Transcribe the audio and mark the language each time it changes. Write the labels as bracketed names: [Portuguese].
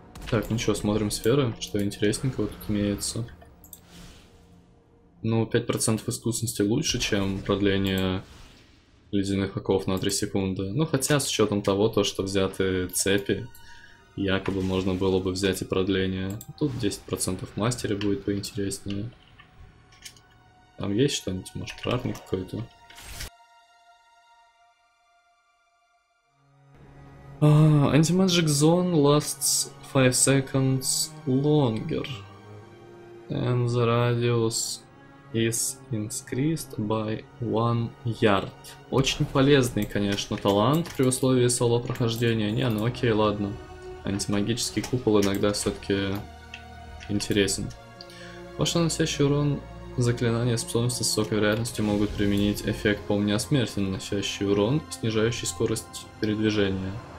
[Russian] Так, ну что, смотрим сферы, что интересненького тут имеется. Ну, 5% искусности лучше, чем продление ледяных оков на 3 секунды. Ну, хотя, с учетом того, то, что взяты цепи, якобы можно было бы взять и продление. Тут 10% мастера будет поинтереснее. Там есть что-нибудь, может, травник какой-то? [English] Anti-Magic Zone lasts 5 seconds longer and the radius is increased by 1 yard. [Russian] Очень полезный, конечно, талант при условии соло прохождения. Не, ну окей, ладно. Антимагический купол иногда все-таки интересен. Ваш наносящий урон заклинания способности с высокой вероятностью могут применить эффект помня о смерти, наносящий урон, снижающий скорость передвижения.